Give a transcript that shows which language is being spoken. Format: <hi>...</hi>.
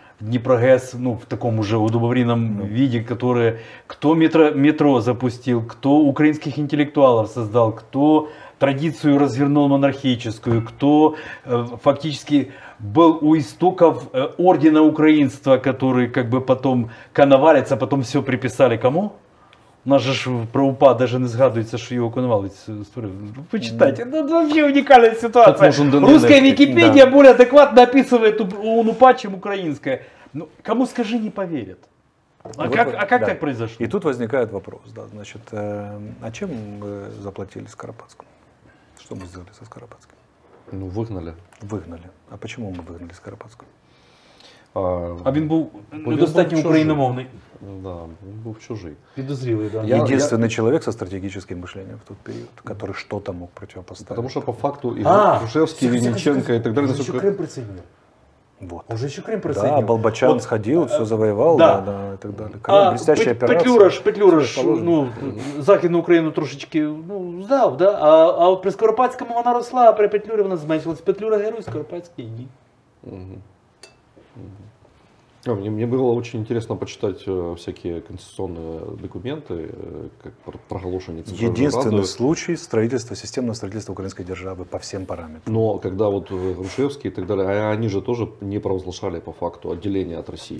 <ru>Днепрогэс, ну, в таком уже удобоваренном виде, которые, кто метро запустил, кто украинских интеллектуалов создал, кто традицию развернул монархическую, кто фактически был у истоков ордена украинства, который как бы потом коновалится, потом все приписали кому?</ru> <uk>У нас же про УПА даже не згадується, що його конвалець. Почитайте, ну, це взагалі унікальна ситуація. Руська Вікіпедія да. Більш адекватно описує УПА, ніж українська. Ну, кому скажи, не повірять.</uk> <ru>А как так произошло?</ru> <uk>І тут возникає вопрос.</uk> <ru>Да, значит,</ru> <uk>а чим ми заплатили Скоропадському? Що ми зробили зі Скоропадським? Ну, вигнали. Вигнали. А чому ми вигнали Скоропадського? А він був недостатньо україномовний. Да, він був чужий. Підозрілий, да. Єдиний чоловік зі стратегічним мисленням в той період, який щось міг протипоставити. Тому що по факту і Грушевський, і Вінниченко, і так далі. Вже Крим присоединив.</uk> <ru>Вот. Уже еще Крим присоединил. Да, Болбочан вот. Сходил, все завоевал, да. Да, и так далее. Крым, блестящая операция.</ru> <uk>Петлюраш, ну, Західну Україну трошечки, ну, здав, да. А от при Скоропадському вона росла, а при Петлюрі вона зменшилась. Петлюра герой, Скоропадський ні.</uk> <ru>Мне было очень интересно почитать всякие конституционные документы, как проголошение Центральной Рады. Единственный случай строительства, системного строительства украинской державы по всем параметрам. Но когда вот Грушевский и так далее, они же тоже не провозглашали по факту отделение от России.</ru>